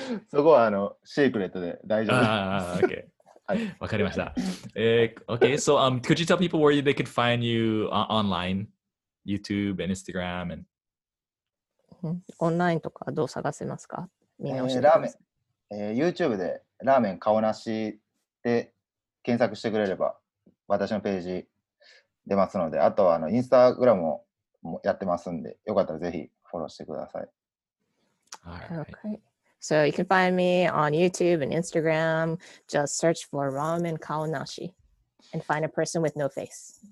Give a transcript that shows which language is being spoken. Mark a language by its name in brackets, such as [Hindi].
[Japanese] そこはシークレットで大丈夫です。 [English] Okay. Okay, so could you tell people where they could find you online, YouTube and Instagram? And [Japanese] online とかどう探せますか？みんな教えてください。YouTube でラーメン顔なしで検索してくれれば私のページ出ますので、あとはInstagram もやってますんで、よかったらぜひフォローしてください。 [English] So you can find me on YouTube and Instagram. Just search for Ramen Kawanashi and find a person with no face.